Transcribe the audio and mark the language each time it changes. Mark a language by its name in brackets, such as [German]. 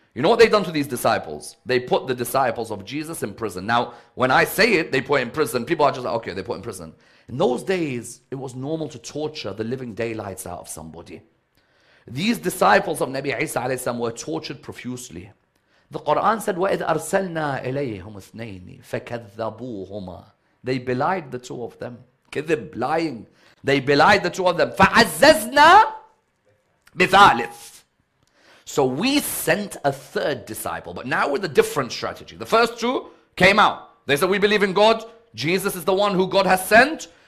[English] You know what they've done to these disciples? They put the disciples of Jesus in prison. Now, when I say it, they put in prison, people are just like, okay, they put in prison. In those days, it was normal to torture the living daylights out of somebody. These disciples of Nabi Isa alayhi salam were tortured profusely. [Arabic] The Quran said, وَإِذْ أَرْسَلْنَا إِلَيْهُمْ اثْنَيْنِ فَكَذَّبُوهُمَا. [English] They belied the two of them. كذب, lying. They belied the two of them. [Arabic] فَعَزَّزْنَا بِثَالِثِ. [English] So we sent a third disciple, but now with a different strategy. The first two came out. They said, we believe in God. Jesus is the one who God has sent.